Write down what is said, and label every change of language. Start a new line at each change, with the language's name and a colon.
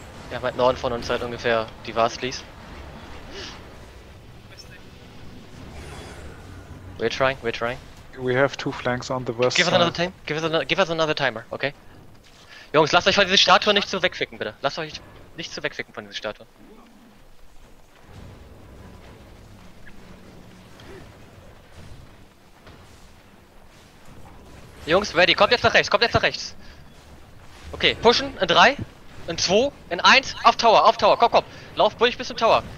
German: Ja, weit Norden von uns halt ungefähr die Vastlys.
English: We're trying, we're trying. We have two flanks on the west. Give us another time. Give us another timer, okay?
German: Jungs, lasst euch von dieser Statue nicht zu wegficken, bitte. Lasst euch nicht zu wegficken von dieser Statue. Jungs, ready, kommt jetzt nach rechts, kommt jetzt nach rechts. Okay, pushen in 3, in 2, in 1, auf Tower, komm, komm. Lauf durch bis zum Tower.